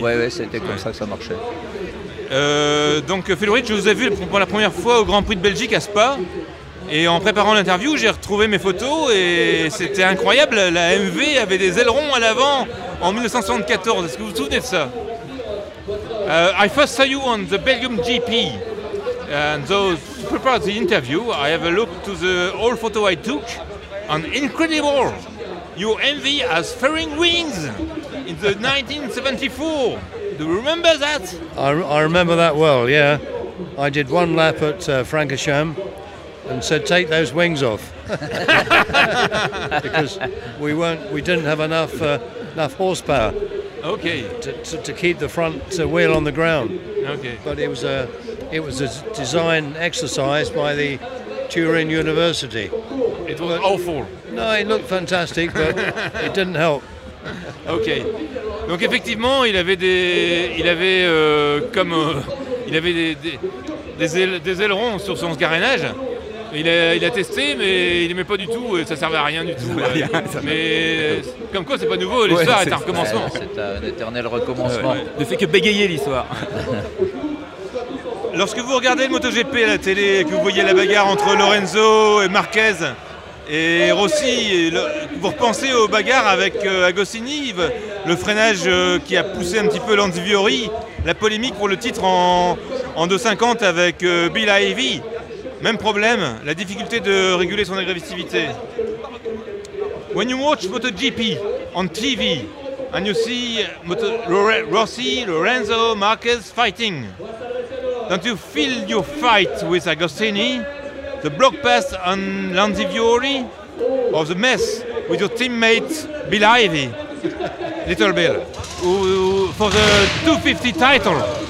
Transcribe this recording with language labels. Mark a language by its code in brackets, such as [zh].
[fr] Ouais, c'était comme ça que ça marchait. Donc Phil Reed, je vous ai vu pour la première fois au Grand Prix de Belgique à Spa. Et en préparant l'interview, j'ai retrouvé mes photos et c'était incroyable. La MV avait des ailerons à l'avant en 1974. Est-ce que vous vous souvenez de ça? [en] I first saw you on the Belgium GP. And so, to prepare the interview, I have a look to the old photo I took. And incredible! Your MV has fairing wings in the 1974. Do you remember that? I remember that well, yeah. I did one lap at Francorchamps and said, take those wings off. Because we didn't have enough horsepower. Okay. To keep the front wheel on the ground. Okay. But it was a design exercise by the Turin University. It was awful. No, it looked fantastic, but it didn't help. Okay. [fr] Donc effectivement, il avait des ailerons sur son carénage. Il a testé, mais il n'aimait pas du tout et ça servait à rien du tout. Mais comme quoi, c'est pas nouveau, l'histoire est un recommencement. Ouais, c'est un éternel recommencement. Ne fait que bégayer l'histoire. Lorsque vous regardez le MotoGP à la télé et que vous voyez la bagarre entre Lorenzo et Marquez et Rossi, vous repensez aux bagarres avec Agostini, le freinage qui a poussé un petit peu Landivori, la polémique pour le titre en 2,50 avec Bill Ivy. Même problème, la difficulté de réguler son agressivité. [en] When you watch MotoGP on TV and you see Rossi, Lorenzo, Marquez fighting, don't you feel your fight with Agostini, the block pass on Landivori, or the mess with your teammate Bill Ivy, Little Bill, for the 250 title?